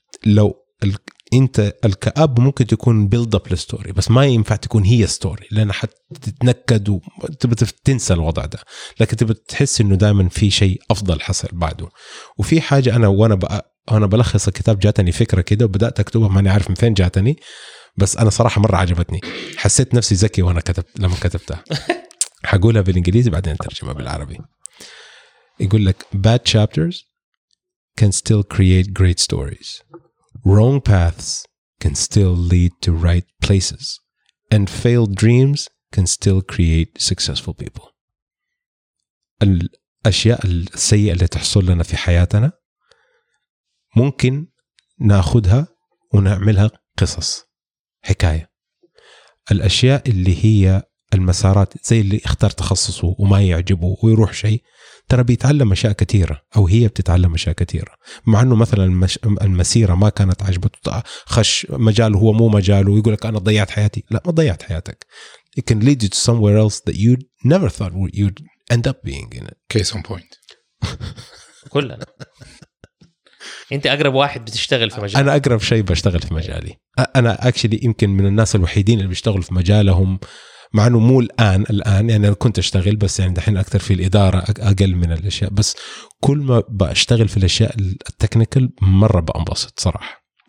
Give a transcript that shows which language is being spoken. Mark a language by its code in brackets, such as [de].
[ar] لو أنت الكآب ممكن تكون build up للستوري، بس ما ينفع تكون هي ستوري، لأن حتتنكد وتبغى تنسى الوضع ده، لكن تبغى تحس إنه دائما في شيء أفضل حصل بعده. وفي حاجة أنا بلخص الكتاب، جاتني فكرة كده وبدأت أكتبها، ماني عارف من فين جاتني، بس أنا صراحة مرة عجبتني، حسيت نفسي ذكي وأنا كتبتها. حقولها بالإنجليزي بعدين ترجمها بالعربي. يقول لك [en] bad chapters can still create great stories. Wrong paths can still lead to right places. And failed dreams can still create successful people. [ar] الأشياء السيئة اللي تحصل لنا في حياتنا ممكن ناخدها ونعملها قصص حكاية. الأشياء اللي هي المسارات زي اللي اختار تخصصه وما يعجبه ويروح شيء، ترى بيتعلم أشياء كثيرة، أو هي بتتعلم أشياء كثيرة، مع أنه مثلا المسيرة ما كانت عجبته، خش مجاله هو مو مجاله ويقولك أنا ضيعت حياتي. لا، ما ضيعت حياتك. [en] It can lead you to somewhere else that you never thought you'd end up being in it. Case on point. [ar] كلنا. أنت أقرب واحد بتشتغل في مجالك. أنا أقرب شيء بشتغل في مجالي. أنا actually يمكن من الناس الوحيدين اللي بيشتغلوا في مجالهم، مع أنه مو الآن يعني أنا كنت أشتغل، بس يعني دحين أكثر في الإدارة أقل من الأشياء، بس كل ما بأشتغل في الأشياء التكنيكال مرة بأنبسط صراحة.